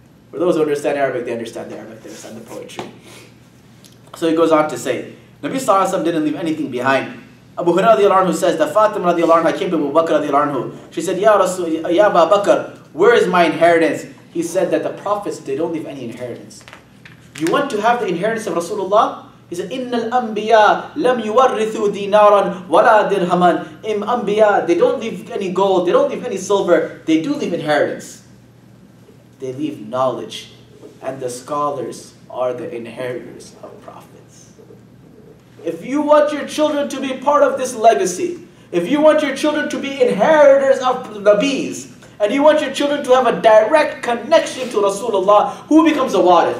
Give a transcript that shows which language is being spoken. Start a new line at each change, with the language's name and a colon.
English: For those who understand Arabic, they understand the Arabic, they understand the poetry. So he goes on to say, Nabi Sallallahu Alaihi Wasallam didn't leave anything behind. Abu Hurairah radiallahu anhu says that Fatima radiallahu anhu came to Abu Bakr radiallahu anhu. She said, Ya Abu Bakr, where is my inheritance? He said that the prophets, they don't leave any inheritance. You want to have the inheritance of Rasulullah? He said,
Arabic: إِنَّ الْأَنْبِيَاءَ لَمْ يُوَرِّثُوا دِينَارًا وَلَا دِرْهَمًا. إِمْ أَنْبِيَاءَ,
English: they don't leave any gold, they don't leave any silver, they do leave inheritance. They leave knowledge. And the scholars are the inheritors of prophets. If you want your children to be part of this legacy, if you want your children to be inheritors of Nabis, and you want your children to have a direct connection to Rasulullah, who becomes a warith?